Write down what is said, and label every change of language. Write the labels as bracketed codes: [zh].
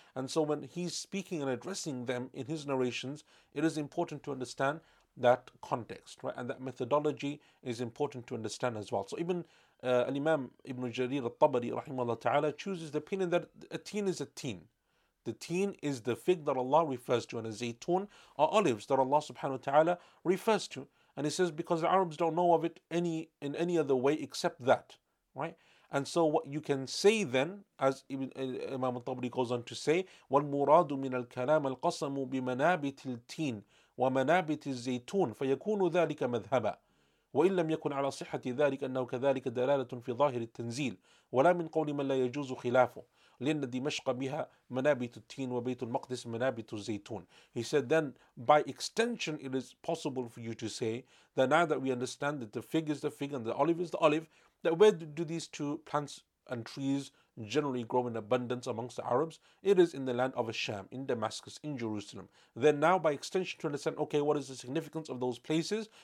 [en] And so when he's speaking and addressing them in his narrations, it is important to understand that context, right? And that methodology is important to understand as well. So even Al-Imam Ibn Jarir al-Tabari rahimahullah ta'ala chooses the opinion that a teen is a teen. The teen is the fig that Allah refers to, and a zaytun are olives that Allah subhanahu wa ta'ala refers to. And he says because the Arabs don't know of it in any other way except that, right? And so what you can say then, as Imam al-Tabari goes on to say, [ar] وَالْمُرَادُ مِنَ الْكَلَامَ الْقَسَمُ بِمَنَابِتِ الْتِينِ وَمَنَابِتِ الزَّيْتُونَ فَيَكُونُ ذَلِكَ مَذْهَبًا وإن لم يكن على صحة ذلك أنه كذلك دلالة في ظاهر التنزيل ولا من قول من لا يجوز خلافه لأن دمشق بها منابت التين وبيت المقدس منابت الزيتون. [en] He said then, by extension it is possible for you to say that now that we understand that the fig is the fig and the olive is the olive, that where do these two plants and trees generally grow in abundance amongst the Arabs? It is in the land of Asham, in Damascus, in Jerusalem. Then now by extension to understand, okay, what is the significance of those places?